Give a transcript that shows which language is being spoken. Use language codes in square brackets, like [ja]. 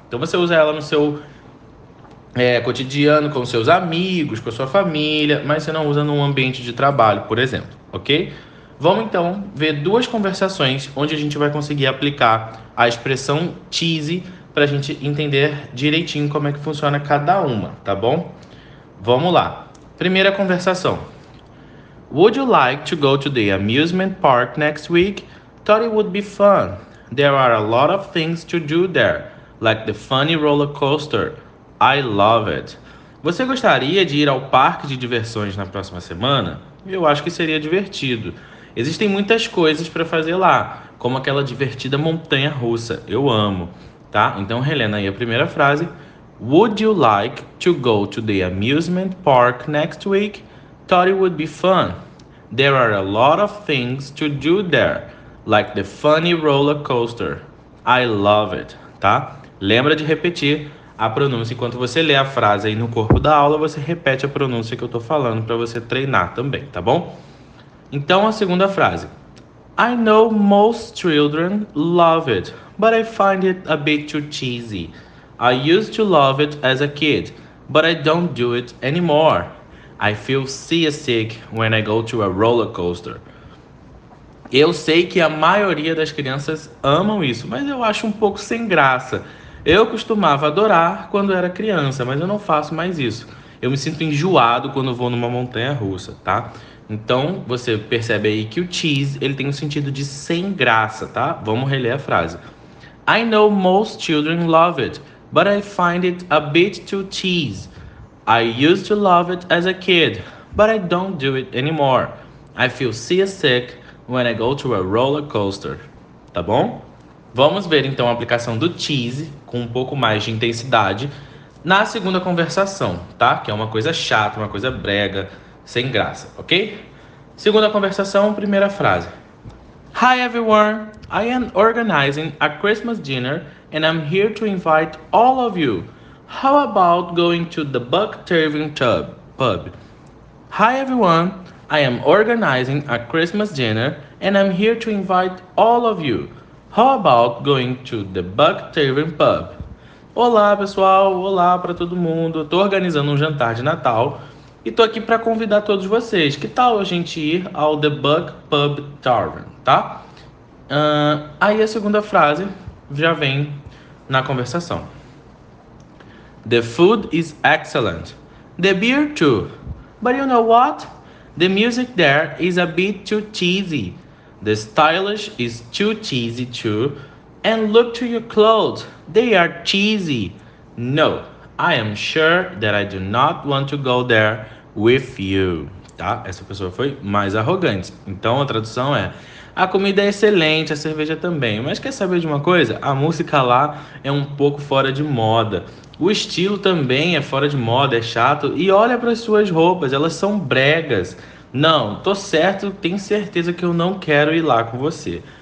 [pt] Então, você usa ela no seu cotidiano, com seus amigos, com a sua família, mas você não usa num ambiente de trabalho, por exemplo, ok? Vamos então ver duas conversações onde a gente vai conseguir aplicar a expressão cheesy para a gente entender direitinho como é que funciona cada uma, tá bom? Vamos lá. Primeira conversação. [en] Would you like to go to the amusement park next week? Thought it would be fun. There are a lot of things to do there, like the funny roller coaster. I love it. [pt] Você gostaria de ir ao parque de diversões na próxima semana? Eu acho que seria divertido. Existem muitas coisas para fazer lá, como aquela divertida montanha-russa. Eu amo, tá? Então, relendo aí a primeira frase. [en] Would you like to go to the amusement park next week? Thought it would be fun. There are a lot of things to do there, like the funny roller coaster. I love it, tá? [pt] Lembra de repetir a pronúncia, enquanto você lê a frase aí no corpo da aula, você repete a pronúncia que eu tô falando para você treinar também, tá bom? Então a segunda frase. [en] I know most children love it, but I find it a bit too cheesy. I used to love it as a kid, but I don't do it anymore. I feel seasick when I go to a roller coaster. [pt] Eu sei que a maioria das crianças amam isso, mas eu acho um pouco sem graça. Eu costumava adorar quando era criança, mas eu não faço mais isso. Eu me sinto enjoado quando vou numa montanha russa, tá? Então, você percebe aí que o cheese, ele tem um sentido de sem graça, tá? Vamos reler a frase. [en] I know most children love it, but I find it a bit too cheese. I used to love it as a kid, but I don't do it anymore. I feel seasick when I go to a roller coaster. [pt] Tá bom? Vamos ver então a aplicação do cheese com um pouco mais de intensidade na segunda conversação, tá? Que é uma coisa chata, uma coisa brega, sem graça, ok? Segunda conversação, primeira frase. [en] Hi everyone, I am organizing a Christmas dinner and I'm here to invite all of you. How about going to the Bucktavern Pub? Hi everyone, I am organizing a Christmas dinner and I'm here to invite all of you. How about going to the Bucktavern Pub? [pt] Olá, pessoal. Olá para todo mundo. Estou organizando um jantar de Natal e estou aqui para convidar todos vocês. Que tal a gente ir ao The Buck Pub Tavern, tá? Aí a segunda frase já vem na conversação. [en] The food is excellent. The beer too. But you know what? The music there is a bit too cheesy. The stylish is too cheesy too. And look to your clothes. They are cheesy. No, I am sure that I do not want to go there with you. [pt] Tá? Essa pessoa foi mais arrogante. Então a tradução é: a comida é excelente, a cerveja também. Mas quer saber de uma coisa? A música lá é um pouco fora de moda. O estilo também é fora de moda, é chato. E olha para as suas roupas, elas são bregas. Não, tô certo, tenho certeza que eu não quero ir lá com você.